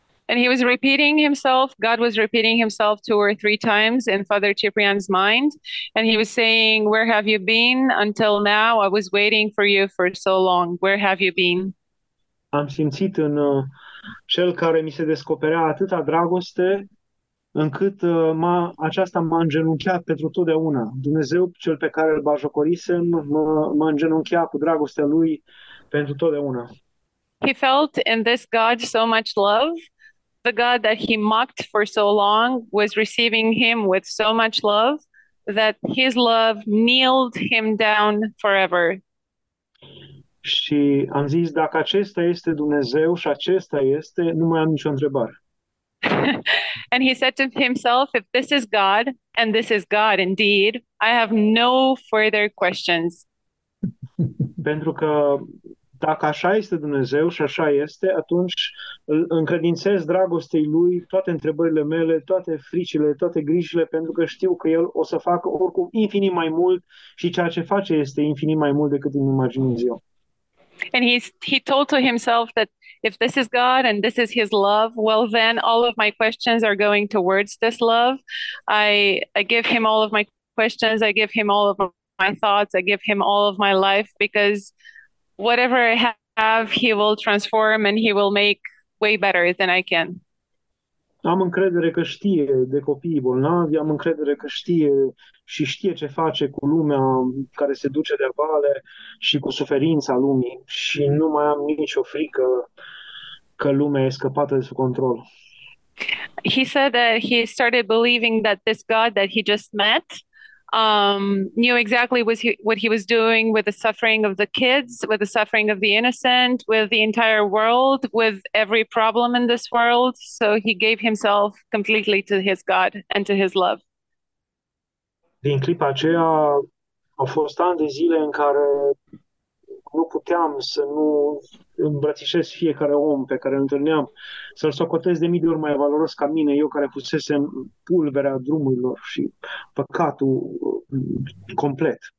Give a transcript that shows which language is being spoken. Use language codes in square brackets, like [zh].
[en] And he was repeating himself, God was repeating himself 2 or 3 times in Father Ciprian's mind, and he was saying, where have you been until now? I was waiting for you for so long. Where have you been? [ro] Am simțit în cel care mi se descoperea atâta dragoste, încât aceasta m-a îngenunchiat pentru totdeauna. Dumnezeu, cel pe care îl bajocorisem, m-a îngenunchiat cu dragostea lui pentru totdeauna. [en] He felt in this God so much love. The God that he mocked for so long was receiving him with so much love. that his love nailed him down forever. [ro] Și am zis, dacă acesta este Dumnezeu și acesta este, nu mai am nicio întrebare. [en] And he said to himself, if this is God, and this is God indeed, I have no further questions. [ro] Pentru că dacă așa este Dumnezeu și așa este, atunci îl încredințez dragostei lui toate întrebările mele, toate fricile, toate grijile, pentru că știu că el o să facă oricum infinit mai mult și ceea ce face este infinit mai mult decât îmi imaginez eu. [en] And he told to himself that if this is God and this is his love, well then all of my questions are going towards this love. I give him all of my questions, I give him all of my thoughts, I give him all of my life, because whatever I have, he will transform and he will make way better than I can. [ro] Am încredere că știe de copiii bolnavi, am încredere că știe și știe ce face cu lumea care se duce de vale și cu suferința lumii și nu mai am nicio frică că lumea e scăpată de sub control. [en] He said that he started believing that this God that he just met knew exactly what he was doing with the suffering of the kids, with the suffering of the innocent, with the entire world, with every problem in this world. So he gave himself completely to his God and to his love. [ro] Din clipa aceea au fost ani de zile în care nu puteam să nu îmbrățișez fiecare om pe care îl întâlneam, să-l socotez de mii de ori mai valoros ca mine, eu care fusesem pulverea drumurilor și păcatul complet.